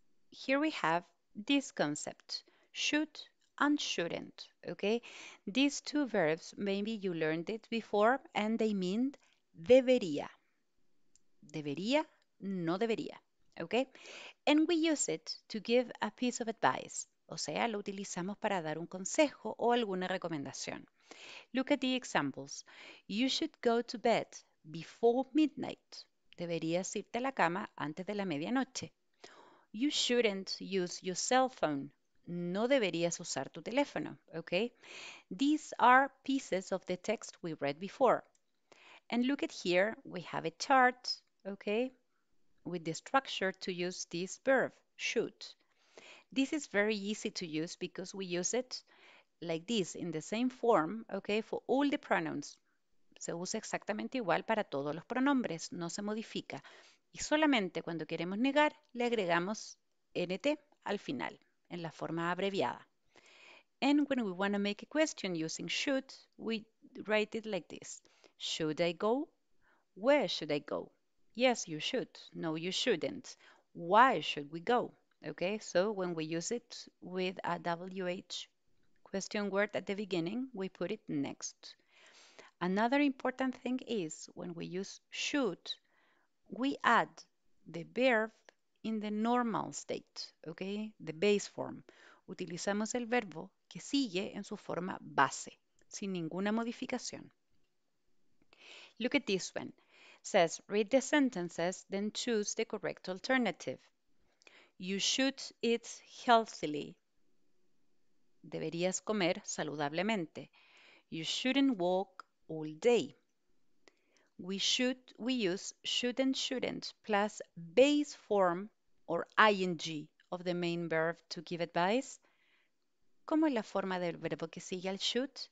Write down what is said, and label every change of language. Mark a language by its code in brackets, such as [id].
[en] Here we have this concept, should and shouldn't, okay? These two verbs, maybe you learned it before, and they mean debería. [es] Debería, no debería, [en] okay? And we use it to give a piece of advice. [es] O sea, lo utilizamos para dar un consejo o alguna recomendación. [en] Look at the examples. You should go to bed before midnight. [es] Deberías irte a la cama antes de la medianoche. [en] You shouldn't use your cell phone. [es] No deberías usar tu teléfono, [en] okay? These are pieces of the text we read before. And look at here, we have a chart, okay? With the structure to use this verb, should. This is very easy to use because we use it like this, in the same form, okay, for all the pronouns. [es] Se usa exactamente igual para todos los pronombres, no se modifica. Y solamente cuando queremos negar, le agregamos NT al final, en la forma abreviada. [en] And when we want to make a question using should, we write it like this. Should I go? Where should I go? Yes, you should. No, you shouldn't. Why should we go? Okay, so when we use it with a WH question word at the beginning, we put it next. Another important thing is when we use should, we add the verb in the normal state, okay? The base form. [es] Utilizamos el verbo que sigue en su forma base, sin ninguna modificación. [en] Look at this one. It says, read the sentences, then choose the correct alternative. You should eat healthily. [es] Deberías comer saludablemente. [en] You shouldn't walk all day. We use should and shouldn't plus base form or ing of the main verb to give advice. [es] ¿Cómo es la forma del verbo que sigue al should?